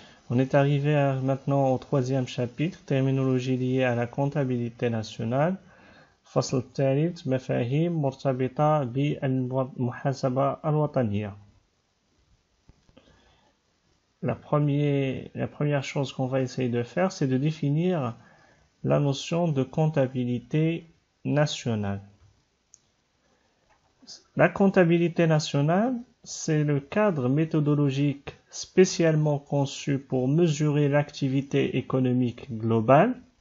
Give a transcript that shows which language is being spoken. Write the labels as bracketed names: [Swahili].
[French] On est arrivé maintenant au troisième chapitre, terminologie liée à la comptabilité nationale. [Arabic] Fasl الثالث, مفاهيم مرتبطة بالمحاسبة الوطنية. [French] La première chose qu'on va essayer de faire, c'est de définir la notion de comptabilité nationale. La comptabilité nationale, c'est le cadre méthodologique spécialement conçu pour mesurer l'activité économique globale.